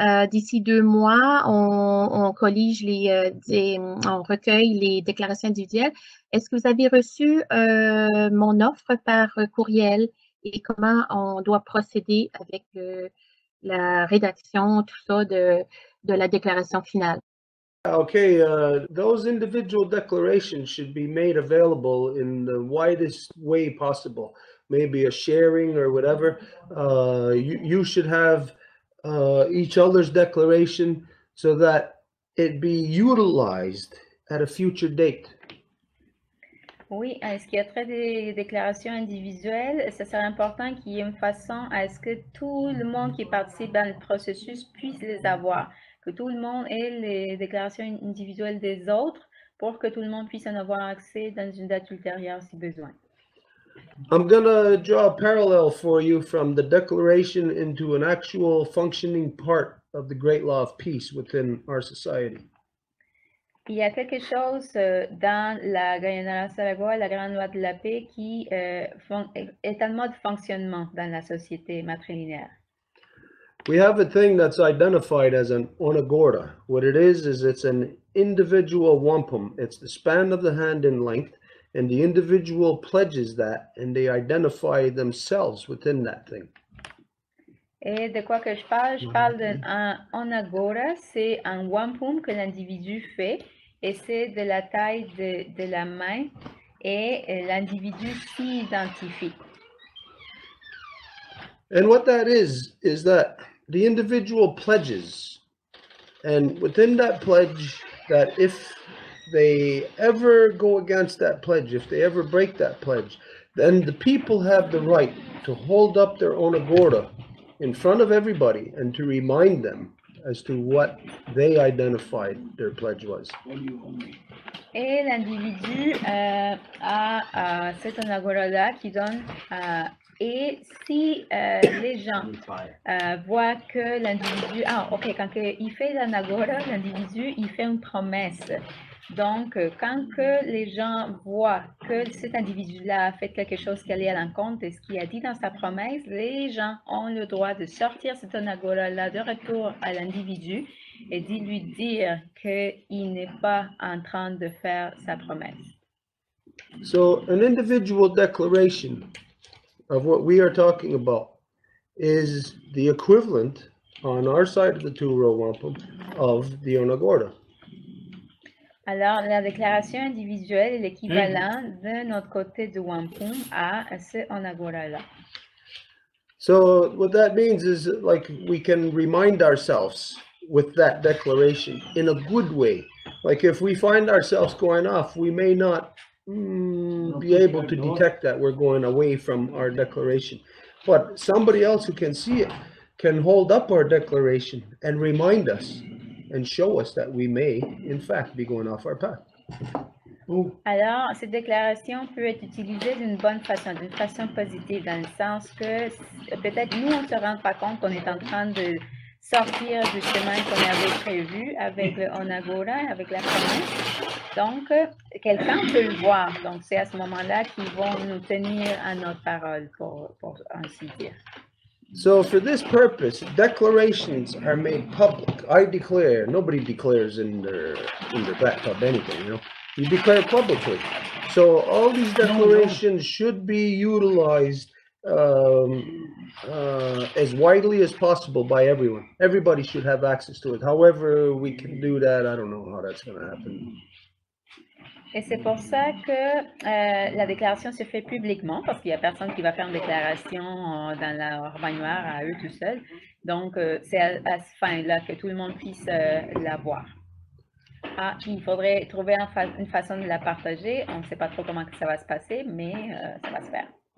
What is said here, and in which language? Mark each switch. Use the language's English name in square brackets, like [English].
[French] D'ici deux mois, on collige les, on recueille les déclarations individuelles. Est-ce que vous avez reçu mon offre par courriel et comment on doit procéder avec la rédaction, tout ça, de la déclaration finale? [English] Okay, those individual declarations should be made available in the widest way possible. Maybe a sharing or whatever. You should have each other's declaration so that it be utilized at a future date. [French] Oui, en ce qui a trait des déclarations individuelles, ça serait important qu'il y ait une façon à ce que tout le monde qui participe dans le processus puisse les avoir, que tout le monde ait les déclarations individuelles des autres pour que tout le monde puisse en avoir accès dans une date ultérieure si besoin. [English] I'm going to draw a parallel for you from the declaration into an actual functioning part of the great law of peace within our society. [French] Il y a quelque chose dans la grande loi de la paix qui est un mode fonctionnement dans la société matrilinéaire. [English] We have a thing that's identified as an onagorda. What it is it's an individual wampum. It's the span of the hand in length. And the individual pledges that, and they identify themselves within that thing. [French] Et de quoi que je parle d'un onagora, c'est un wampum que l'individu fait, et c'est de la taille de la main, et l'individu s'y identifie. [English] And what that is that the individual pledges, and within that pledge, that if they ever go against that pledge, if they ever break that pledge, then the people have the right to hold up their own agora in front of everybody and to remind them as to what they identified their pledge was. [French] Et l'individu a cette agora-là qui donne, et si les gens voient que l'individu, quand il fait l'agora, l'individu, il fait une promesse. Donc, quand que les gens voient que cet individu-là a fait quelque chose qui allait à l'encontre de ce qu'il a dit dans sa promesse, les gens ont le droit de sortir cet onagora-là de retour à l'individu et de lui dire qu'il n'est pas en train de faire sa promesse. [English] So, an individual declaration of what we are talking about is the equivalent on our side of the two-row wampum of the onagora. [French] Alors, la déclaration individuelle est l'équivalent de notre côté du wampum à ce onagora-là. [English] So, what that means is, like, we can remind ourselves with that declaration in a good way Like if we find ourselves going off, we may not be able to detect that we're going away from our declaration. But somebody else who can see it can hold up our declaration and remind us and show us that we may, in fact, be going off our path. [French] Alors, cette déclaration peut être utilisée d'une bonne façon, d'une façon positive, dans le sens que peut-être nous, on ne se rend pas compte qu'on est en train de sortir du chemin qu'on avait prévu avec le Onagora, avec la famille. Donc, quelqu'un peut le voir. Donc, c'est à ce moment-là qu'ils vont nous tenir à notre parole, pour ainsi dire. [English] So, for this purpose, declarations are made public. I declare, nobody declares in their bathtub anything, you know. You declare publicly. So all these declarations should be utilized as widely as possible by everyone. Everybody should have access to it. However we can do that, I don't know how that's going to happen. [French] Et c'est pour ça que la déclaration se fait publiquement, parce qu'il n'y a personne qui va faire une déclaration dans leur baignoire à eux tout seuls. Donc c'est à ce fin-là que tout le monde puisse la voir. Ah, il faudrait trouver une façon de la partager. On ne sait pas trop comment ça va se passer, mais ça va se faire.